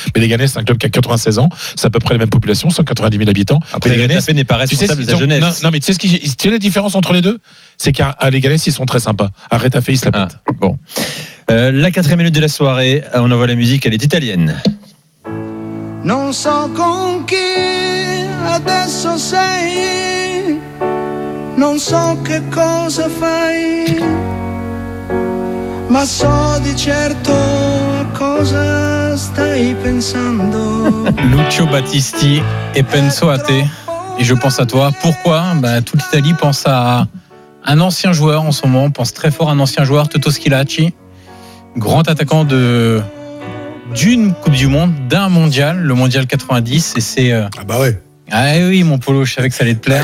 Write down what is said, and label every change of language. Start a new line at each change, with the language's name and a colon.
French: Mais Leganés, c'est un club qui a 96 ans, c'est à peu près la même population, 190 000 habitants. Après, Leganés n'est pas responsable de la jeunesse. Non, mais tu sais la différence entre les deux, c'est qu'à Leganés ils sont très sympas. À Rétafé, ils se la pètent. Bon, la quatrième minute de la soirée, on envoie la musique, elle est italienne.
Italian: Non so con chi adesso sei, non so che cosa fai. Ma so di certo cosa stai pensando.
French: Lucio Battisti,
Italian: e penso a te.
French: Et je pense à toi. Pourquoi? Bah, toute l'Italie pense à un ancien joueur en ce moment. On pense très fort à un ancien joueur, Toto Schillaci. Grand attaquant d'une Coupe du Monde, d'un mondial, le mondial 90. Et c'est. Ah bah ouais. Ah oui, mon polo, je savais que ça allait te plaire.